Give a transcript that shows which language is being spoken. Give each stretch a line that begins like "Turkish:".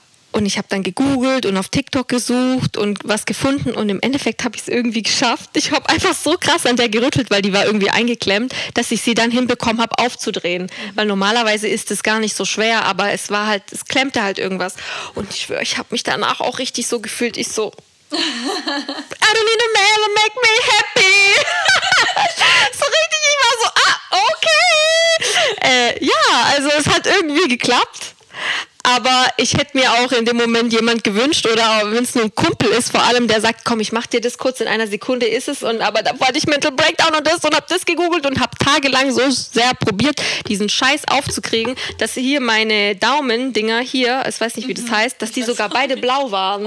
German: Und ich habe dann gegoogelt und auf TikTok gesucht und was gefunden. Und im Endeffekt habe ich es irgendwie geschafft. Ich habe einfach so krass an der gerüttelt, weil die war irgendwie eingeklemmt, dass ich sie dann hinbekommen habe, aufzudrehen. Weil normalerweise ist es gar nicht so schwer, aber es war halt, es klemmte halt irgendwas. Und ich schwöre, ich habe mich danach auch richtig so gefühlt. Ich so,
English: I don't need a man to make me happy.
German: So richtig, ich war so, ah, okay. Ja, also es hat irgendwie geklappt. Aber ich hätte mir auch in dem Moment jemand gewünscht, oder wenn es nur ein Kumpel ist, vor allem, der sagt, komm, ich mach dir das kurz, in einer Sekunde ist es. Und aber da wollte ich Mental Breakdown und das und hab das gegoogelt und hab tagelang so sehr probiert, diesen Scheiß aufzukriegen, dass hier meine Daumen-Dinger hier, ich weiß nicht, wie das heißt, dass die sogar beide blau waren.